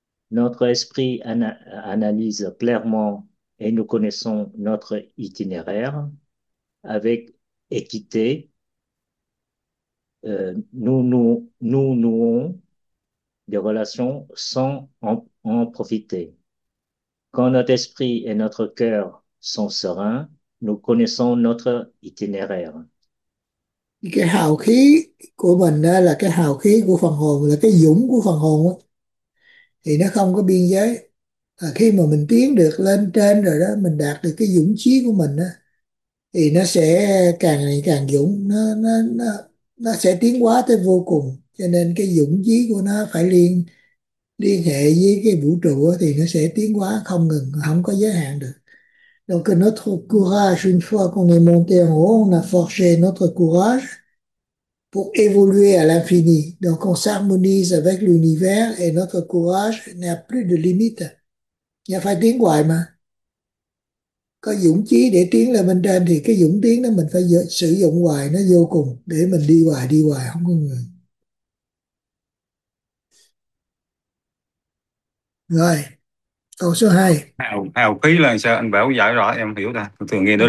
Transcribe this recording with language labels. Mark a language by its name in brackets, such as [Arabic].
[French] Notre esprit analyse clairement et nous connaissons notre itinéraire avec équité, nous nouons des relations sans en profiter. Quand notre esprit et notre cœur sont sereins, nous connaissons notre itinéraire. [Vietnamese] Cái hào khí của mình đó là cái hào khí của phần hồn, là cái dũng của phần hồn đó. Thì nó không có biên giới. Khi mà mình tiến được lên trên rồi đó, mình đạt được cái dũng chí của mình đó, thì nó sẽ càng ngày càng dũng, nó sẽ tiến hóa tới vô cùng. Cho nên cái dũng chí của nó phải liên liên hệ với cái vũ trụ đó, thì nó sẽ tiến hóa không ngừng, không có giới hạn được. [French] Donc notre courage, une fois qu'on est monté en haut, on a forgé notre courage pour évoluer à l'infini. Donc on s'harmonise avec l'univers et notre courage n'a plus de limite. Il faut [Vietnamese] tiến hoài mà. Có dũng chí để tiến lên bên trên thì cái dũng tiến đó mình phải sử dụng hoài, nó vô cùng để mình đi hoài, không có ngừng. Rồi, câu số 2. Hào khí là sao anh Bảo giải rõ em hiểu ta, thường nghe nói